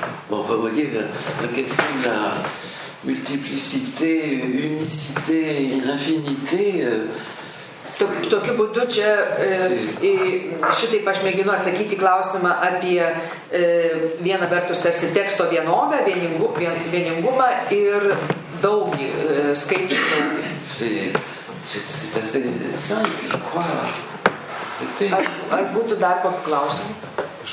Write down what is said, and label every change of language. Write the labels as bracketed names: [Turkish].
[French] Bon, vous voyez la question de la multiplicité, unicité, infinité. [Lithuanian] Tokiu būdu čia šitaip aš mėginu atsakyti klausimą apie vieną vertus tarsi teksto vienovę, vieningumą ir daugį skaitimų. [French] C'est assez simple, je crois. [Lithuanian] Ar būtų dar kokį klausimą?